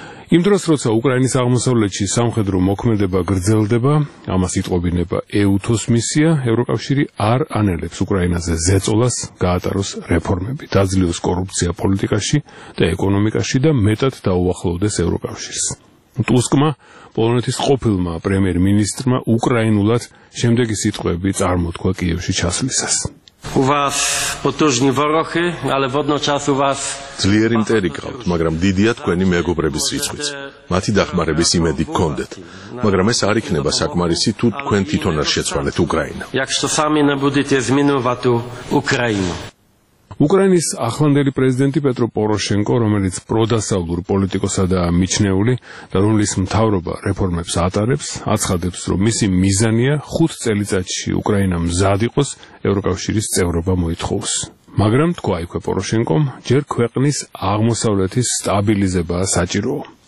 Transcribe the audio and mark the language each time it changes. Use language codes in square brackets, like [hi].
[ka] იმ დროს, როცა უკრაინის აღმოსავლეთში სამხედრო მოქმედება გრძელდება, ამას იტყობინება ეუთოს მისია, ევროკავშირი არ ანელებს უკრაინაზე ზეწოლას, გაატაროს რეფორმები, დაძლიოს კორუფცია პოლიტიკაში და ეკონომიკაში და მეტად დაუახლოვდეს ევროკავშირს. ტუსკმა, პოლონეთის ყოფილმა პრემიერ-მინისტრმა უკრაინულად შემდეგი სიტყვები წარმოთქვა კიევში ჩასვლისას. [uk] У вас потужні вороги, але водночас у вас [ka] ძლიერი მტერი გყავთ, მაგრამ დიდია თქვენი მეგობრების რიცხვიც. მათი დახმარების იმედი გქონდეთ, მაგრამ ეს არ იქნება საკმარისი, თუ თქვენ თვითონ არ შეცვალეთ უკრაინა. [uk] Якщо самі не будете змінювати Україну. [ka] Უკრაინის ახლანდელი პრეზიდენტი პეტრო პოროშენკო, რომელიც პროდასალურ პოლიტიკოსად არის მიჩნეული და რომლის მთავრობა რეფორმებს ატარებს, აცხადებს, რომ მისი მიზანია 5 წელიწადში უკრაინა მზად იყოს ევროკავშირის წევრობა მოითხოვოს. მაგრამ თქვა იქვე პოროშენკომ, ჯერ ქვეყნის აღმოსავლეთის სტაბილიზებაა საჭიროა.